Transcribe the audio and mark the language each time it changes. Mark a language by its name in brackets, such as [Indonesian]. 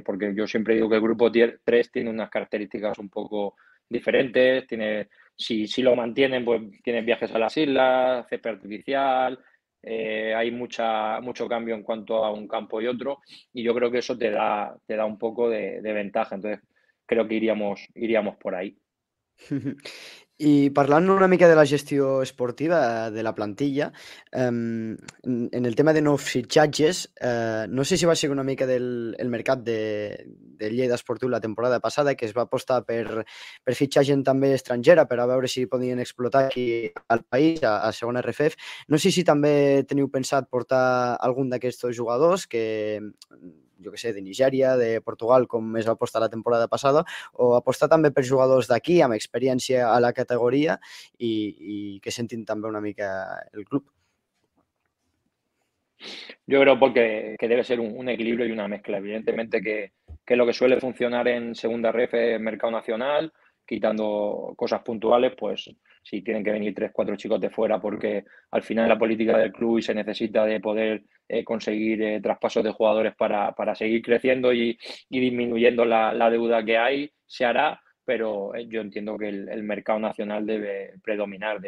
[Spanish] Porque yo siempre digo que el grupo 3 tiene unas características un poco diferentes, tiene... Si lo mantienen, pues tienen viajes a las islas, césped artificial, hay mucho cambio en cuanto a un campo y otro, y yo creo que eso te da un poco de ventaja. Entonces creo que iríamos por ahí. [Catalan] I parlant una mica de la gestió esportiva de la plantilla, en el tema de nous fitxatges, no sé si va ser una mica del mercat de Lleida Esportiu la temporada passada, que es va apostar per fitxar gent també estrangera, per a veure si podien explotar aquí al país, a segona RFEF. No sé si també teniu pensat portar algun d'aquests jugadors que... jo què sé, de Nigèria, de Portugal, com es va apostar la temporada passada, o apostar també per jugadors d'aquí amb experiència a la categoria i que sentin també una mica el club. [Spanish] Yo creo que debe ser un equilibrio y una mezcla. Evidentemente que lo que suele funcionar en segunda ref es el mercado nacional, quitando cosas puntuales, pues si tienen que venir 3 o 4 chicos de fuera, porque al final la política del club y se necesita de poder conseguir traspasos de jugadores para seguir creciendo y disminuyendo la deuda que hay, se hará, pero yo entiendo que el mercado nacional debe predominar.